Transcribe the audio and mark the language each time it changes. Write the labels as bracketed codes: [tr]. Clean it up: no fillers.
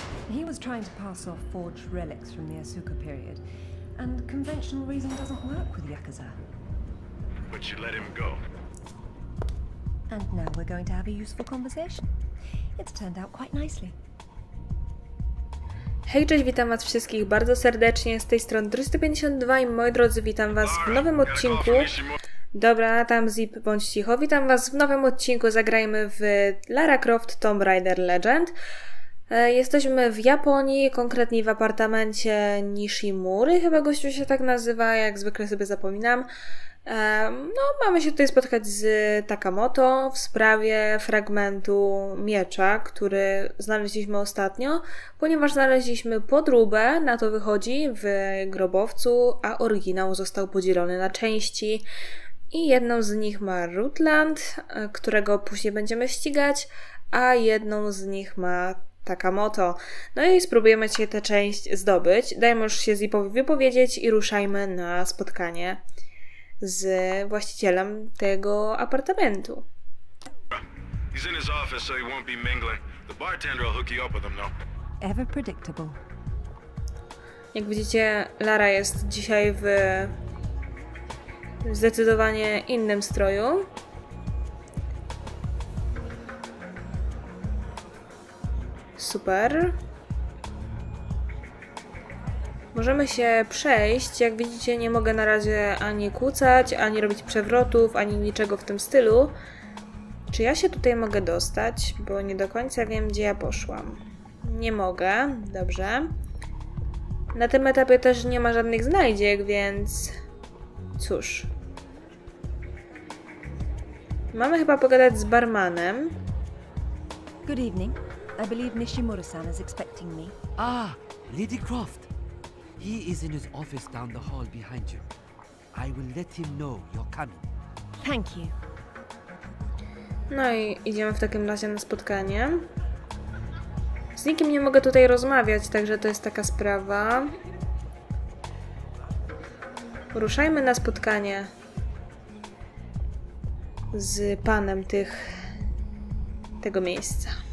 [en] He was trying to pass off forged relics from the Asuka period, and conventional reason doesn't work with Yakuza. But you let him go. And now we're going to have a useful conversation. It's turned out quite nicely. [pl] Hej, cześć, witam was wszystkich bardzo serdecznie. Z tej strony 352 i moi drodzy, witam was w nowym odcinku. Dobra, tam zip, bądź cicho. Witam was w nowym odcinku. Zagrajmy w Lara Croft Tomb Raider Legend. Jesteśmy w Japonii, konkretnie w apartamencie Nishimury. Chyba gościu się tak nazywa, jak zwykle sobie zapominam. No, mamy się tutaj spotkać z Takamoto w sprawie fragmentu miecza, który znaleźliśmy ostatnio, ponieważ znaleźliśmy podróbę, na to wychodzi, w grobowcu, a oryginał został podzielony na części. I jedną z nich ma Rutland, którego później będziemy ścigać, a jedną z nich ma Takamoto. No i spróbujemy się tę część zdobyć. Dajmy już się Zipowi wypowiedzieć i ruszajmy na spotkanie z właścicielem tego apartamentu. [en] He's in his office, so he won't be mingling. The bartender will hook you up with him, though. Ever predictable. [pl] Jak widzicie, Lara jest dzisiaj w zdecydowanie innym stroju. Super. Możemy się przejść. Jak widzicie, nie mogę na razie ani kucać, ani robić przewrotów, ani niczego w tym stylu. Czy ja się tutaj mogę dostać? Bo nie do końca wiem, gdzie ja poszłam. Nie mogę. Dobrze. Na tym etapie też nie ma żadnych znajdziek, więc cóż. Mamy chyba pogadać z barmanem. [en] Good evening. I believe Nishimura-san is expecting me. Ah, Lady Croft. He is in his office down the hall behind you. I will let him know you're coming. Thank you. [pl] No i idziemy w takim razie na spotkanie. Z nikim nie mogę tutaj rozmawiać, także to jest taka sprawa. Ruszajmy na spotkanie z panem tego miejsca.